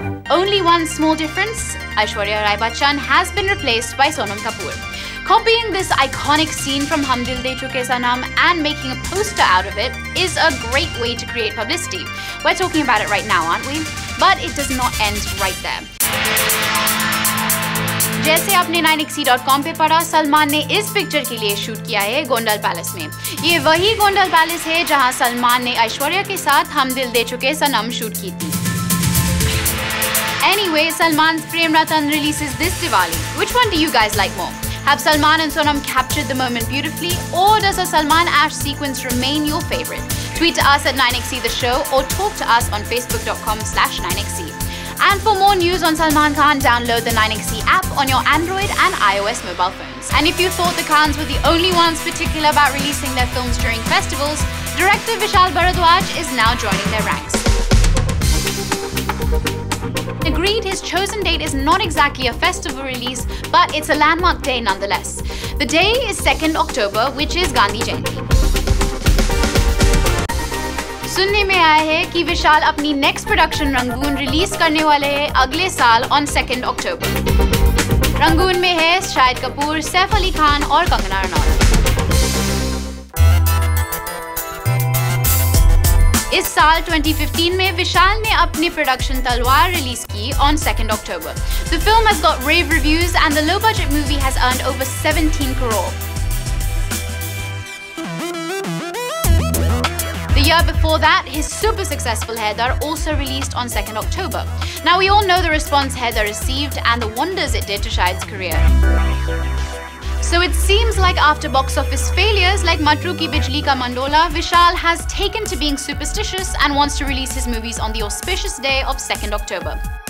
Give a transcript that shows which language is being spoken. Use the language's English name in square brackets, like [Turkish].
[English] Only one small difference, Aishwarya Rai Bachchan has been replaced by Sonam Kapoor. Copying this iconic scene from Hum Dil De Chuke Sanam and making a poster out of it is a great way to create publicity. We're talking about it right now, aren't we? But it does not end right there. [Hindi] जैसे आपने 9xc.com पे पढ़ा, सलमान ने इस picture के लिए shoot किया है गोंडल पैलेस में. ये वही गोंडल पैलेस है जहां सलमान ने ऐश्वर्या के साथ हम दिल दे चुके सनम शूट की थी. [English] Anyway, Salman's Prem Ratan releases this Diwali. Which one do you guys like more? Have Salman and Sonam captured the moment beautifully, or does a Salman Ash sequence remain your favorite? Tweet to us at 9xc the show or talk to us on facebook.com/9xc. And for more news on Salman Khan, download the 9XC app on your Android and iOS mobile phones. And if you thought the Khans were the only ones particular about releasing their films during festivals, director Vishal Bharadwaj is now joining their ranks. agreed his chosen date is not exactly a festival release, but it's a landmark day nonetheless. The day is 2nd October, which is Gandhi Jayanti. [Hindi] सुनने में आया है कि विशाल अपनी next production Rangoon release करने वाले हैं अगले साल [English] On 2nd October. [Hindi] रंगून में है शाहिद कपूर, सैफ अली खान और कंगना रनौत। इस साल 2015 में विशाल ने अपनी प्रोडक्शन तलवार रिलीज की [English] On 2nd October. The film has got rave reviews and the low budget movie has earned over 17 crore. The year before that, his super successful Heather also released on 2nd October. Now we all know the response Heather received and the wonders it did to Shahid's career. So it seems like after box office failures like Matru Ki Bijli Ka Mandola, Vishal has taken to being superstitious and wants to release his movies on the auspicious day of 2nd October.